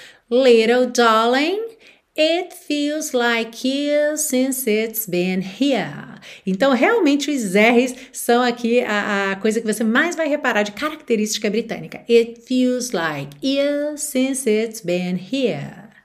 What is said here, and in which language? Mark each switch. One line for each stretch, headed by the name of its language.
English: Little darling, it feels like years since it's been here.
Portuguese: Então, realmente, os R's são aqui a coisa que você mais vai reparar de característica britânica.
English: It feels like years since it's been here.